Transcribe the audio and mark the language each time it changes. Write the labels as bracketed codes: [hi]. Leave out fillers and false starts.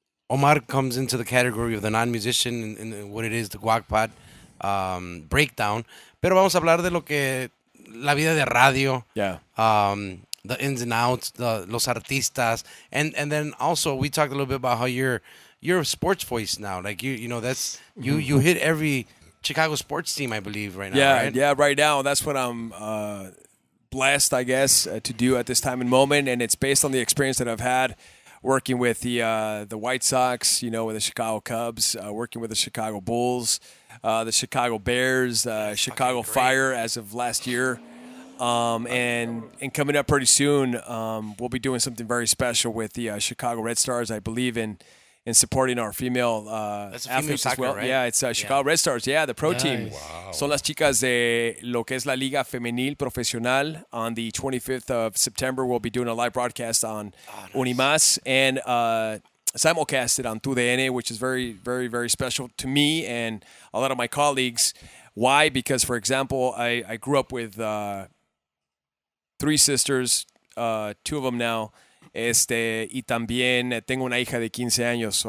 [en] Omar comes into the category of the non-musician in what it is, the GuacPod breakdown. [es] Pero vamos a hablar de lo que la vida de radio. [en] Yeah. The ins and outs, [es] los artistas, [en] and then also we talked a little bit about how you're a sports voice now. Like you know, that's you hit every Chicago sports team, I believe, right now. Yeah, right? Yeah, right now that's what I'm blessed, I guess, to do at this time and moment, and it's based on the experience that I've had working with the White Sox, you know, with the Chicago Cubs, working with the Chicago Bulls, the Chicago Bears, Chicago Fire as of last year. And coming up pretty soon, we'll be doing something very special with the Chicago Red Stars, I believe, in supporting our female athletes soccer, as well. Right? Yeah, it's Chicago Red Stars. Yeah, the pro team. Wow. [es] Son las chicas de lo que es la Liga Femenil Profesional. [en] On the 25th of September, we'll be doing a live broadcast on Unimas and simulcasted on TUDN, which is very, very, very special to me and a lot of my colleagues. Why? Because, for example, I grew up with three sisters, two of them now, [es] y también tengo una hija de 15 años.